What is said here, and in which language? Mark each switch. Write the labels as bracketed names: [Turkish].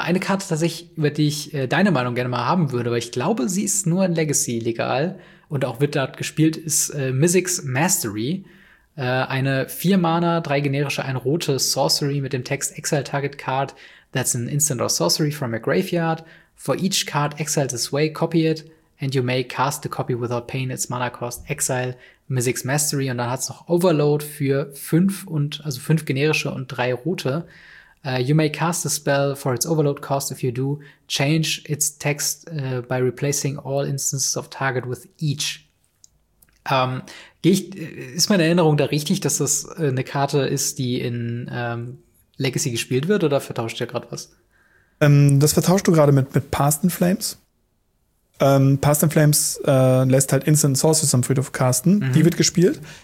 [German] Eine Karte tatsächlich, über die ich deine Meinung gerne mal haben würde, weil ich glaube, sie ist nur in Legacy legal und auch wird dort gespielt, ist Mizzic's Mastery. Eine 4-Mana, 3 generische, 1 rote Sorcery mit dem Text [English] Exile Target Card. That's an instant or sorcery from a graveyard. For each card exiled this way, copy it. And you may cast the copy without pain. Its mana cost exile Mizzic's Mastery. [German] Und dann hat's noch Overload für 5 generische und 3 rote. [English] You may cast a spell for its overload cost. If you do, change its text by replacing all instances of target with each. [German] Ist meine Erinnerung da richtig, dass das eine Karte ist, die in Legacy gespielt wird, oder vertauscht ihr gerade was? Das vertauscht du gerade mit Past and Flames. Past and Flames lässt halt Instant Sources am Friedhof casten. Mhm. Die wird gespielt.